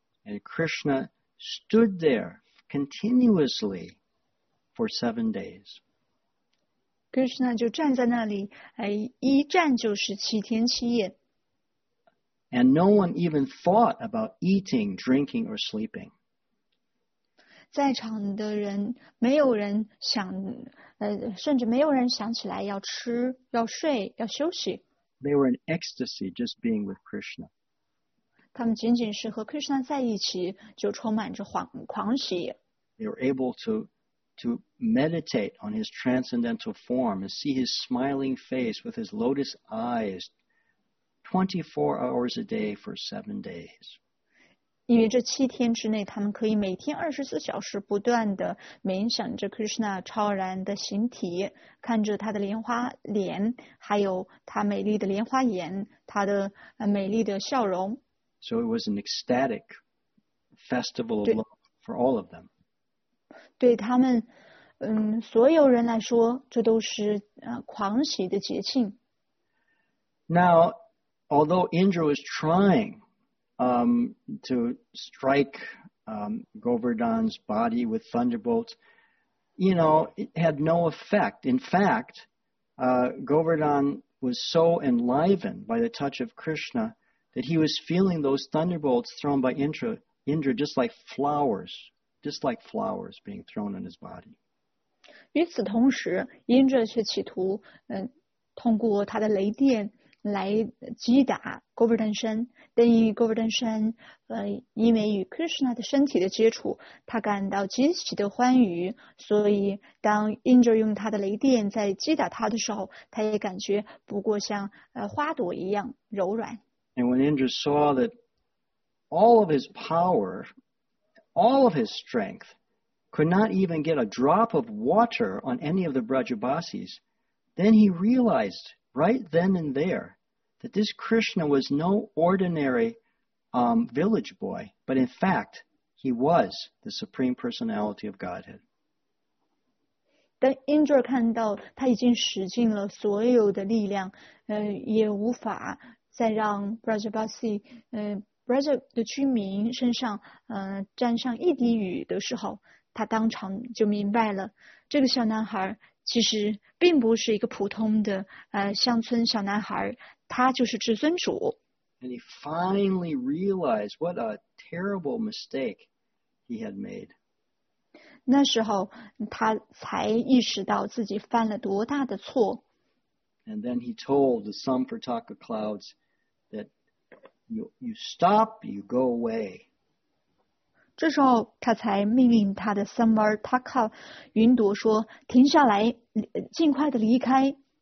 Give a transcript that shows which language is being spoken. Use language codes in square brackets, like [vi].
[en] And Krishna stood there. Continuously for 7 days. [zh] Krishna 就站在那里，一站就是七天七夜。 [en] And no one even thought about eating, drinking, or sleeping. [zh] 在场的人，没有人想，甚至没有人想起来要吃、要睡、要休息。 [en] They were in ecstasy just being with Krishna. [zh] 他们仅仅是和 Krishna 在一起，就充满着狂喜。 [en] They were able to meditate on his transcendental form and see his smiling face with his lotus eyes 24 hours a day for 7 days. [zh] 因为这七天之内，他们可以每天24小时不断的冥想着 Krishna 超然的形体，看着他的莲花脸，还有他美丽的莲花眼，他的美丽的笑容。 [en] So it was an ecstatic festival of love for all of them. [zh] 对他们，所有人来说，这都是狂喜的节庆。 [en] Now, although Indra was trying to strike Govardhan's body with thunderbolts, it had no effect. In fact, Govardhan was so enlivened by the touch of Krishna that he was feeling those thunderbolts thrown by Indra just like flowers. Just like flowers being thrown on his body. [zh] 与此同时，因着却企图，通过他的雷电来击打 Govardhan 山，但因为 Govardhan 山，因为与 Krishna 的身体的接触，他感到极其的欢愉。所以，当因着用他的雷电在击打他的时候，他也感觉不过像花朵一样柔软。 [en] And when Indra saw that all of his power. All of his strength could not even get a drop of water on any of the Brajabasis. Then he realized right then and there that this Krishna was no ordinary village boy, but in fact, he was the Supreme Personality of Godhead. [zh] 当 Indra 看到他已经使尽了所有的力量，也无法再让 Brajabasi, Braja 的居民身上沾上一滴雨的时候，他当场就明白了，这个小男孩其实并不是一个普通的乡村小男孩，他就是至尊主。 [en] And he finally realized what a terrible mistake he had made. [zh] 那时候他才意识到自己犯了多大的错。 [en] And then he told the Samprataka clouds that,You stop, you go away. [zh] 这时候他才命令他的 Samprataka 云朵说停下来尽快的离开。